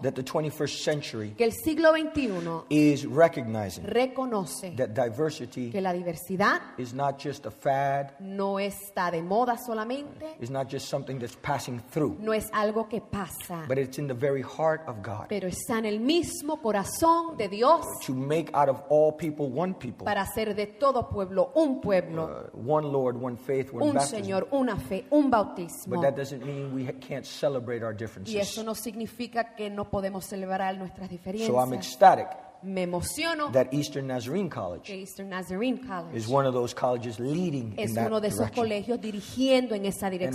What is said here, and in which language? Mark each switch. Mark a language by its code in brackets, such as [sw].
[en] that the 21st century [es] que el siglo 21 [en] is recognizing [es] reconoce [en] that diversity [es] que la diversidad [en] is not just a fad, [es] no está de moda solamente, [en] is not just something that's passing through, [es] no es algo que pasa, [en] but it's in the very heart of God. [es] Pero está en el mismo corazón de Dios. Dios. [en] To make out of all people one people. [es] Para hacer de todo pueblo un pueblo. [en] One Lord, one faith, one [es] un [en] baptism. [es] Señor, una fe, un bautismo. [en] But that doesn't mean we can't celebrate our differences. [es] Y eso no significa que no podemos celebrar nuestras diferencias. [en] So I'm ecstatic. [es] Me emociono [en] that Eastern Nazarene College, is one of those colleges leading in that [es] uno de esos colegios dirigiendo en esa dirección.